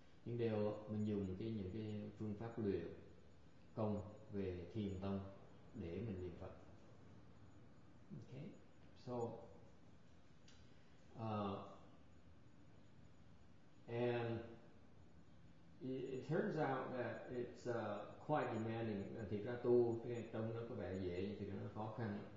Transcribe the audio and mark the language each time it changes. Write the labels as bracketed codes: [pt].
[vi] Nhưng đều mình dùng những cái phương pháp luyện công về thiền tông để mình niệm Phật. Okay. [en] So and it turns out that it's quite demanding. [vi] Thiệt ra tu cái tông nó có vẻ dễ nhưng thiệt ra nó khó khăn.